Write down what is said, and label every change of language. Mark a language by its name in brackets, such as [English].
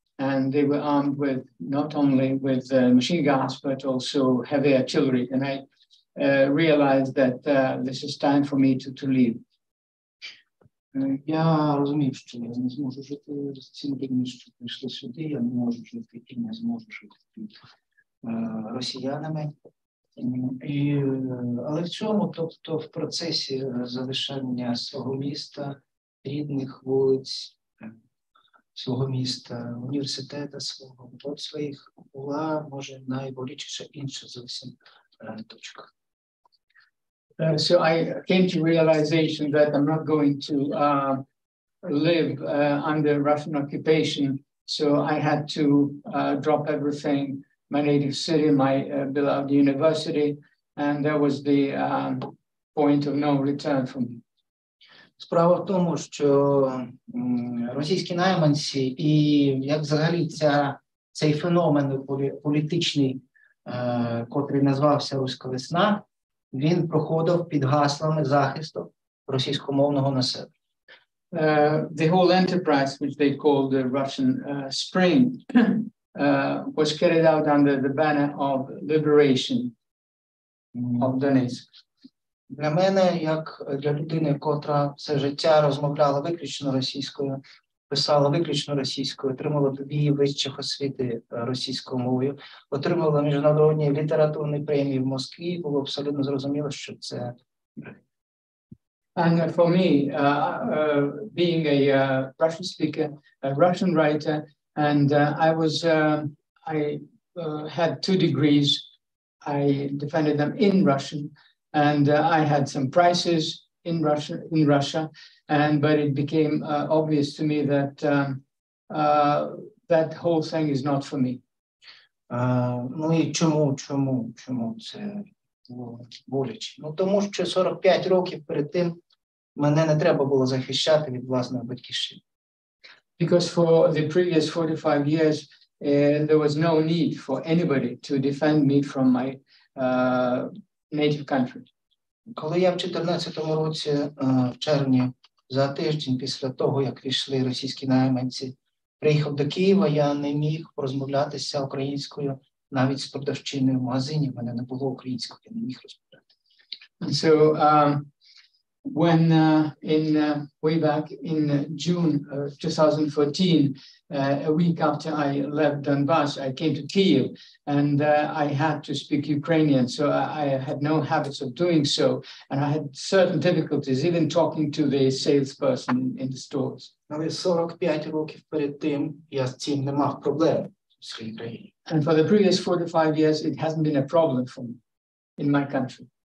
[English] And they were armed with not only with machine guns, but also heavy artillery. And I realized that this is time for me to leave. [Ukrainian] Я розумів, що я не зможу жити з цим людьми, що прийшли сюди. Я не можу жити, і не зможу жити під росіянами. І, але в цьому, тобто в процесі залишання свого міста, рідних вулиць, свого міста, університету свого, от своїх була, може, найболічіша інша зовсім точка. [English] So I came to realization that I'm not going to live under Russian occupation, so I had to drop everything, my native city, my beloved university, and that was the point of no return for me. [Ukrainian] Справа в тому, що російські найманці і як взагалі цей феномен політичний, котрий назвався «Руська весна», він проходив під гаслами захисту російськомовного населення. [English] The whole enterprise, which they called the Russian Spring, was carried out under the banner of liberation of Donetsk. [Ukrainian] Для мене, як для людини, котра все життя розмовляла виключно російською, писала виключно російською, отримала дві вищих освіти російською мовою, отримала міжнародні літературні премії в Москві, було абсолютно зрозуміло, що це. [English] And for me, being a Russian speaker, a Russian writer, and I had two degrees, I defended them in Russian. And I had some prices in Russia, but it became obvious to me that that whole thing is not for me. [Ukrainian] Ну і чому це боляче? Ну тому що 45 років перед тим мене не треба було захищати від власної батьківщини. [English] Because for the previous 45 years there was no need for anybody to defend me from my native country. [Ukrainian] Коли я в 14-му році, в червні, за тиждень після того, як прийшли російські найманці, приїхав до Києва, я не міг розмовлятися українською, навіть з продавчиною в магазині, в мене не було українського, я не міг розмовляти. [English] So, when way back in June 2014, a week after I left Donbas, I came to Kyiv, and I had to speak Ukrainian, so I had no habits of doing so, and I had certain difficulties even talking to the salesperson in the stores. [Ukrainian] Але 45 років перед тим я з цим не мав проблем з Україною. [English] And for the previous 45 years, it hasn't been a problem for me in my country.